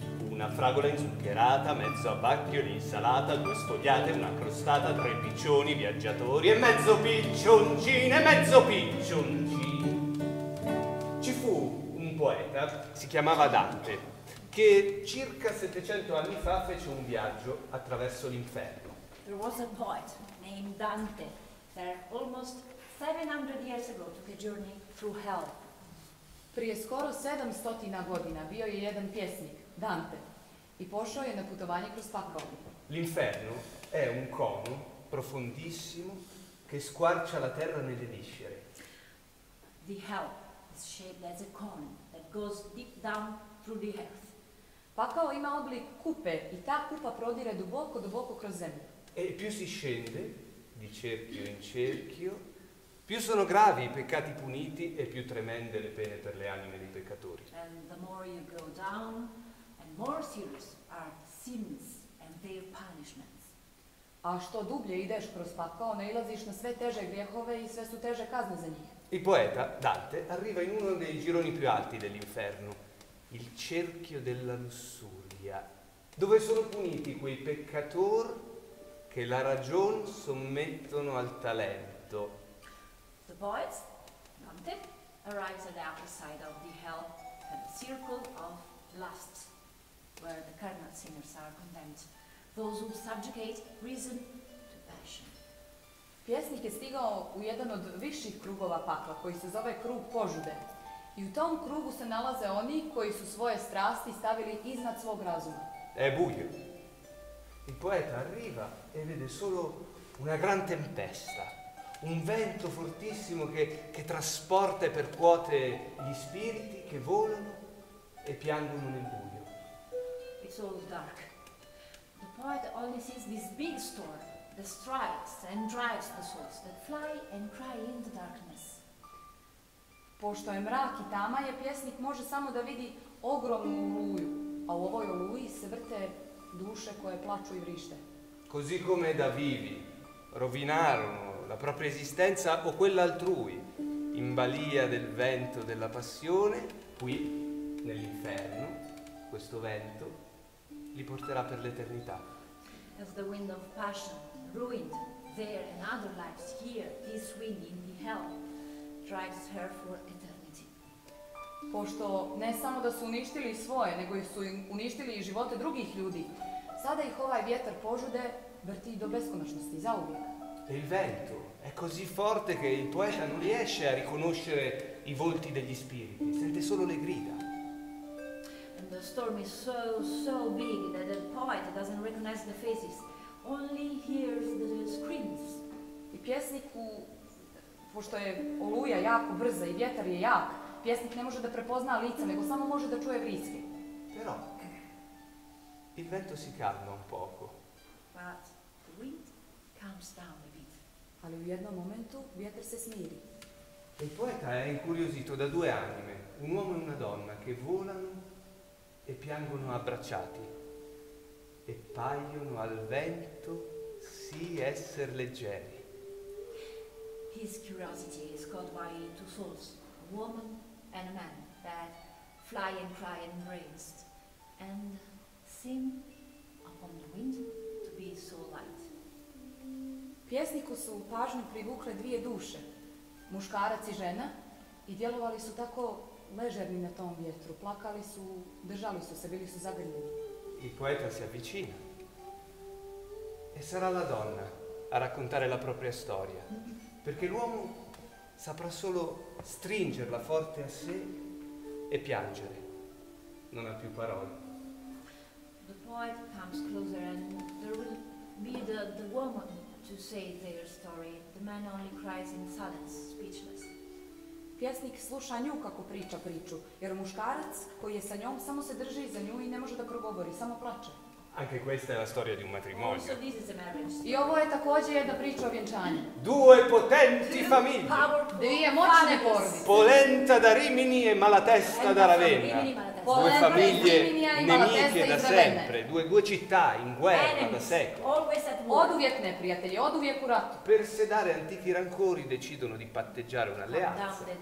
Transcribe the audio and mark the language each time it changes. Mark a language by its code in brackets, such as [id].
[it] Una fragola inzuccherata, mezzo abbacchio di insalata, due sfogliate, una crostata, tre piccioni viaggiatori e mezzo piccioncino, e mezzo piccioncino. Ci fu un poeta, si chiamava Dante, che circa 700 anni fa fece un viaggio attraverso l'inferno. [en] There was a poet named Dante that almost 700 years ago took a journey through hell. [bs] Prije skoro 700 godina bio je jedan pjesnik, Dante, i pošao je na putovanje kroz pakao. [it] L'inferno è un cono profondissimo che squarcia la terra nelle viscere. [en] The hell is shaped as a cone that goes deep down through the earth. [bs] pa kao ima oblik kupe i ta kupa prodire duboko, duboko kroz zemlju. [it] E più si scende, di cerchio in cerchio, più sono gravi i peccati puniti e più tremende le pene per le anime dei peccatori. [en] And the more you go down, and more serious are sins and their punishments. [bs] A što dublje ideš kroz pakao, nailaziš na sve teže grijehove i sve su teže kazne za njih. [it] Il poeta, Dante, arriva in uno dei gironi più alti dell'inferno, il cerchio della lussuria, dove sono puniti quei peccatori che la ragion sommettono al talento. [en] The poet, Dante, arrives at the upper side of the hell, at the circle of lust, where the carnal sinners are condemned, those who subjugate reason to passion. [bs] Pjesnik je stigao u jedan od viših krugova pakla, koji se zove krug požude. I u tom krugu se nalaze oni koji su svoje strasti stavili iznad svog razuma. [it] E buio. Il poeta arriva e vede solo una gran tempesta, un vento fortissimo che trasporta e percuote gli spiriti che volano e piangono nel buio. [en] It's all dark. The poet only sees this big storm that strikes and drives the souls that fly and cry in the darkness. [bs] Pošto je mrak i tama je, pjesnik može samo da vidi ogromnu oluju, a u ovoj oluji se vrte duše koje plaču i vrište. [it] Così come da vivi rovinarono la propria esistenza o quell'altrui, in balia del vento della passione, qui, nell'inferno, questo vento li porterà per l'eternità. [en] As the wind of passion ruined there and other lives here, this wind in the hell drives her for eternity. [bs] Pošto ne samo da su uništili svoje, nego su uništili i živote drugih ljudi, sada ih ovaj vjetar požude vrti do beskonačnosti, zauvijek. [it] Il vento è così forte che il poeta non riesce a riconoscere i volti degli spiriti, sente solo le grida. [en] And the storm is so, so big that the poet doesn't recognize the faces, only hears the screams. [bs] I pjesnik, pošto je oluja jako brza i vjetar je jak, pjesnik ne može da prepozna lica, nego samo može da čuje vriske. [it] Però, il vento si calma un poco. [en] But the wind calms down a bit. [bs] Ali u jednom momentu vjetar se smiri. [it] Il poeta è incuriosito da due anime, un uomo e una donna, che volano e piangono abbracciati e paiono al vento sì esser leggeri. [en] His curiosity is caught by two souls, a woman and a man, that fly and cry and embrace and seem upon the wind to be so light. [bs] Pjesniku su pažnju privukle dvije duše, muškarac i žena, i djelovali su tako ležerni na tom vjetru, plakali su, držali su se, bili su zagrljeni. [it] Il poeta si avvicina. E sarà la donna a raccontare la propria storia, perché l'uomo saprà solo stringerla forte a sé e piangere. Non ha più parole. [en] The poet comes closer and there will be the woman to say their story. The man only cries in silence, speechless. [bs] Pjesnik sluša nju kako priča priču, jer muškarac koji je sa njom samo se drži za nju i ne može da progovori, samo plače. [it] Anche questa è la storia di un matrimonio. [en] Also, this is a marriage story. [bs] I ovo je također jedna priča o vjenčanju. [it] Due potenti famiglie. [bs] Dvije moćne porodice. [it] Polenta da Rimini e malatesta da Ravenna. Due famiglie nemiche da sempre, due città in guerra da secoli. [bs] Oduvijek neprijatelji, oduvijek u ratu. [it] Per sedare antichi rancori decidono di patteggiare un'alleanza.